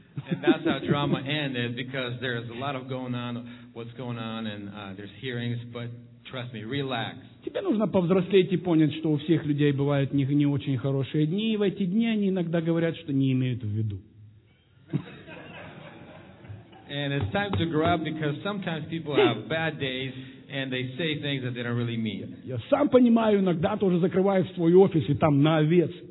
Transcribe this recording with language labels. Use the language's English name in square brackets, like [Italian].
[English] And that's how drama ended, because there's a lot of going on, what's going on, and there's hearings, but trust me, relax. [Russian] Тебе нужно повзрослеть и понять, что у всех людей бывают не очень хорошие дни, и в эти дни они иногда говорят, что не имеют в виду. [English] And it's time to grow up, because sometimes people have bad days, and they say things that they don't really mean. [Russian] Я сам понимаю, иногда тоже закрываю свой офис, и там на овец.